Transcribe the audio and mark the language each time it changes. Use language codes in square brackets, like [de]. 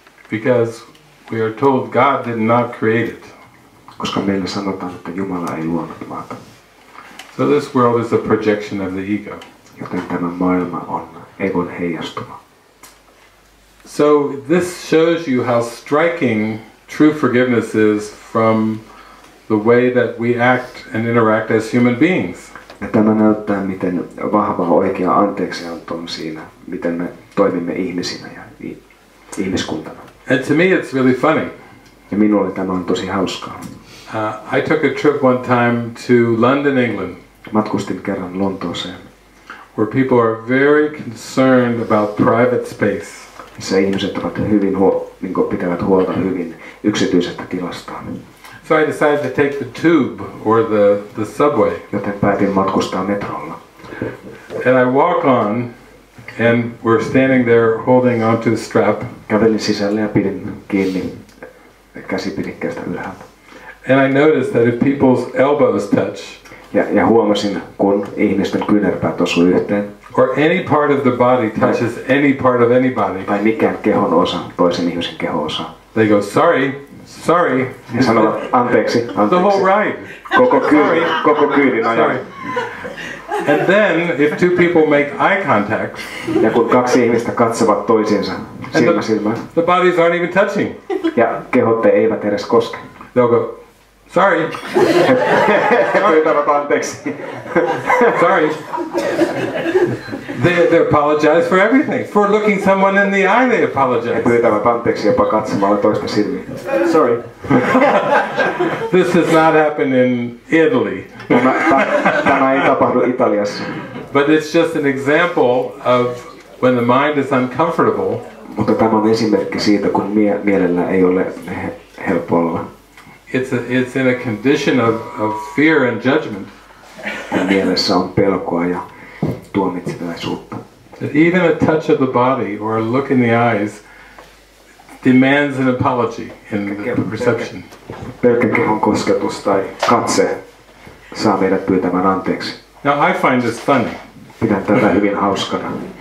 [en] Because we are told God did not create it. [fi] Koska meille sanotaan, että Jumala ei luonut maata. [en] So this world is a projection of the ego. [fi] Joten tämä maailma on egon heijastuma. [en] So this shows you how striking true forgiveness is from the way that we act and interact as human beings. [fi] Ja tämä näyttää, miten vahva oikea anteeksianto on siinä, miten me toimimme ihmisinä ja ihmiskuntana. [en] And to me it's really funny. [fi] Ja minulle tämä on tosi hauskaa. [en] I took a trip one time to London, England. [fi] Matkustin kerran Lontooseen. [en] Where people are very concerned about private space. [fi] Se ihmiset ovat hyvin pitävät huolta hyvin yksityisestä tilastaan. [en] So I decided to take the tube or the subway. [fi] Joten päätin matkustaa metrolla. [en] And I walk on and we're standing there holding onto the strap. [fi] Kävelin sisälle ja pidin kiinni käsipidikkeestä ylhäältä. [en] And I noticed that if people's elbows touch. [fi] Ja huomasin, kun ihmisten kyynärpäät osuu yhteen. [en] Or any part of the body touches any part of anybody. [fi] Tai mikään kehon osa toisen ihmisen kehon osa. [en] They go, sorry, sorry. [fi] Ja sanovat, anteeksi, anteeksi. [en] The whole ride. [fi] Koko kyydin ajan. [en] Sorry. And then, if two people make eye contact. [fi] Ja kun kaksi ihmistä katsovat toisiinsa silmä silmään. [en] The bodies aren't even touching. [fi] Ja kehot eivät edes koske. [en] They'll go, sorry. [fi] Pyytävät anteeksi. [en] Sorry. They apologize for everything. For looking someone in the eye, they apologize. [fi] He pyytävät anteeksi jopa katsomalla toista silmiin. [en] Sorry. This does not happen in Italy. [fi] Tämä ei tapahdu Italiassa. [en] But it's just an example of when the mind is uncomfortable. [fi] Mutta tämä on esimerkki siitä, kun mielellä ei ole helppo olla. [en] It's in a condition of fear and judgment. [fi] Mielessä on pelkoa ja tuomitsevaisuutta. [en] That even a touch of the body or a look in the eyes demands an apology in the perception. [fi] Pelkkä kehon kosketus tai katse saa meidät pyytämään anteeksi. [en] Now I find this funny. [fi] Pidän tätä hyvin hauskana.